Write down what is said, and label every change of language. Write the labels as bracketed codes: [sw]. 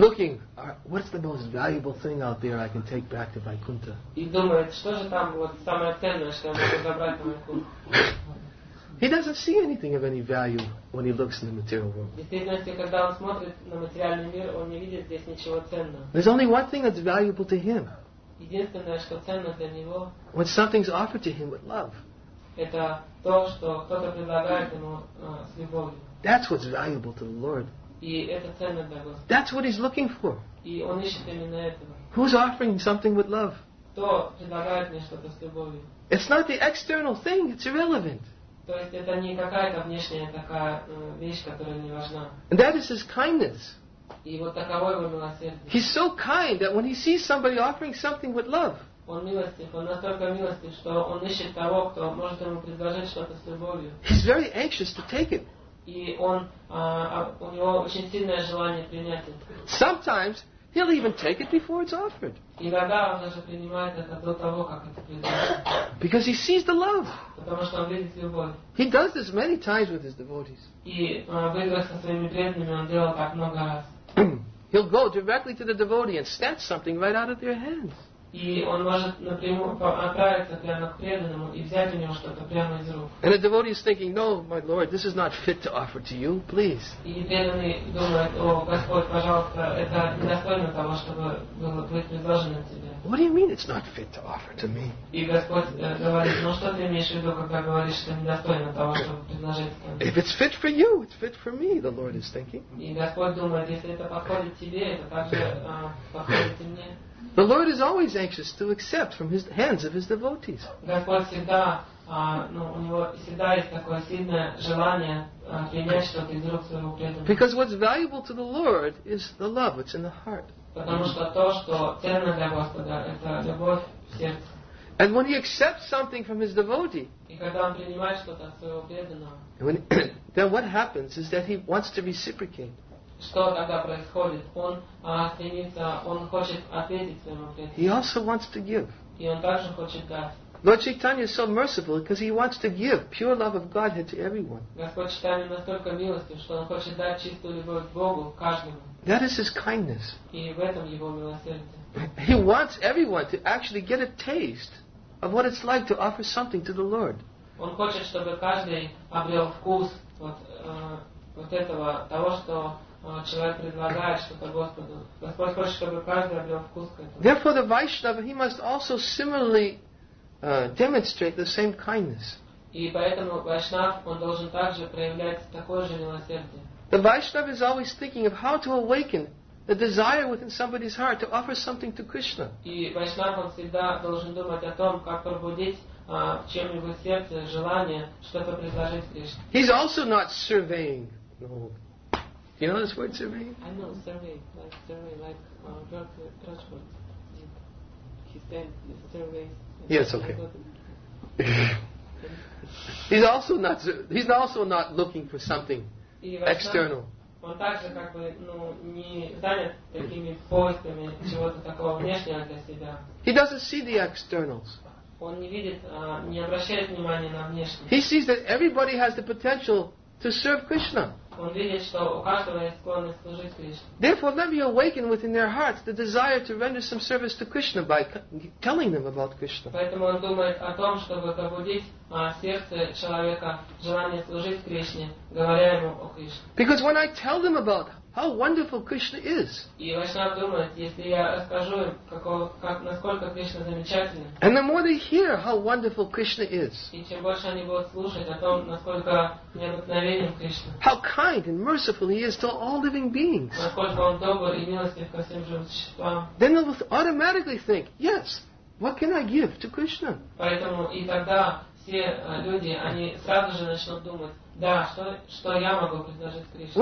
[en] looking, what's the most valuable thing out there I can take back to Vaikuntha? [ru] И думает, что же там вот самое ценное, что я могу забрать в Вайкунту? [en] He doesn't see anything of any value when he looks in the material world. [ru] Действительно, когда он смотрит на материальный мир, он не видит здесь ничего ценного. [en] There's only one thing that's valuable to him. [ru] Единственное, что ценно для него. [en] When something's offered to him with love. [ru] Это то, что кто-то предлагает ему с любовью. [en] That's what's valuable to the Lord. [ru] И это ценно для Господа. [en] That's what he's looking for. [ru] И он ищет именно этого. [en] Who's offering something with love? [ru] Кто предлагает мне что-то с любовью? [en] It's not the external thing, it's irrelevant. [ru] То есть это не какая-то внешняя такая вещь, которая не важна. [en] And that is his kindness. [ru] И вот таково его милосердие. [en] He's so kind that when he sees somebody offering something with love, [ru] он милостив, он настолько милостив, что он ищет того, кто может ему предложить что-то с любовью. [en] He's very anxious to take it. [ru] И он у него очень сильное желание принять это. [en] Sometimes he'll even take it before it's offered. [ru] Иногда он даже принимает это до того, как это предложено. [en] Because he sees the love. [ru] Потому что он видит любовь. [en] He does this many times with his devotees. [ru] И в игре со своими преданными он делал так много раз. [en] He'll go directly to the devotee and snatch something right out of their hands. [ru] И он может напрямую отправиться прямо к преданному и взять у него что-то прямо из рук. [en] And the devotee is thinking, no, my lord, this is not fit to offer to you, please. [ru] И преданный думает, о, Господь, пожалуйста, это недостойно того, чтобы было быть предложено тебе. [en] What do you mean it's not fit to offer to me? [ru] И Господь говорит, ну что ты имеешь в виду, когда говоришь, что недостойно того, чтобы предложить тебе? [en] If it's fit for you, it's fit for me, the Lord is thinking. [ru] И Господь думает, если это подходит тебе, это также подходит и мне. [en] The Lord is always anxious to accept from His hands of His devotees. [ru] Господь всегда, у него всегда есть такое сильное желание принять что-то из рук своего преданного. [en] Because what's valuable to the Lord is the love which is in the heart. [ru] Потому что то, что ценно для Господа, это любовь в сердце. [en] And when He accepts something from His devotee, [ru] и когда он принимает что-то от своего преданного, [en] then what happens is that He wants to reciprocate. [ru] Что тогда происходит? Он стремится, он хочет ответить своему преданному. [en] He also wants to give. [ru] И он также хочет дать. [en] Lord Chaitanya is so merciful because he wants to give pure love of Godhead to everyone. [ru] Господь Чайтанья настолько милостив, что он хочет дать чистую любовь к Богу каждому. [en] That is his kindness. [ru] И в этом его милосердие. [en] He wants everyone to actually get a taste of what it's like to offer something to the Lord. [ru] Он хочет, чтобы каждый обрел вкус вот этого того, что человек предлагает что-то Господу. Господь хочет, чтобы каждый обрел вкус к этому. [en] Therefore, the Vaishnava, he must also similarly demonstrate the same kindness. [ru] И поэтому Вайшнав, он должен также проявлять такое же милосердие. [en] The Vaishnava is always thinking of how to awaken a desire within somebody's heart to offer something to Krishna. [ru] И Вайшнава всегда должен думать о том, как пробудить в чем-либо сердце желание что-то предложить Кришне. [en] He's also not surveying. No. Do you know this word surveying? I know survey, like transport. He stands surveys. Yes, okay. He's also not looking for something external. [ru] Он также как бы не занят такими поисками чего-то такого внешнего для себя. [en] He doesn't see the externals. [ru] Он не видит, не обращает внимания на внешнее. [en] He sees that everybody has the potential to serve Krishna. [ru] Он видит, что у каждого есть склонность служить Кришне. [en] Therefore, let me awaken within their hearts the desire to render some service to Krishna by telling them about Krishna. [ru] Поэтому он думает о том, чтобы пробудить сердце человека желание служить Кришне, говоря ему о Кришне. [en] Because when I tell them about how wonderful Krishna is. [ru] И Вайшнав думает, если я расскажу им, насколько Кришна замечательный. [en] And the more they hear how wonderful Krishna is. [ru] И чем больше они будут слушать о том, насколько необыкновенным Кришна. [en] How kind and merciful He is to all living beings. [ru] Насколько Он добр и милостив ко всем живым существам. [en] Then they will automatically think, yes, what can I give to Krishna? [ru] Поэтому и тогда все люди, они сразу же начнут думать, да, что я могу предложить Кришне?